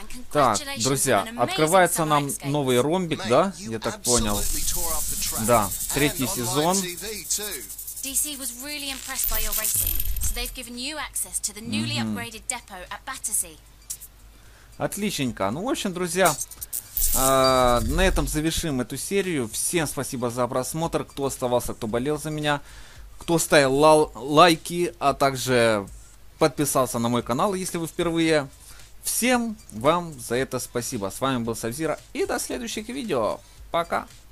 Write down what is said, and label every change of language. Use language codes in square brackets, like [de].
[ru] Так, друзья, открывается нам новый ромбик, да? Я так понял. Да, третий сезон. [en] DC was really impressed by your rating, so they've given you access to the newly upgraded depot at Battersea. [ru] Отличненько. Ну, в общем, друзья, на этом завершим эту серию. Всем спасибо за просмотр, кто оставался, кто болел за меня. кто ставил лайки, а также подписался на мой канал, если вы впервые. Всем вам за это спасибо. С вами был Сабзиро, и до следующих видео. Пока!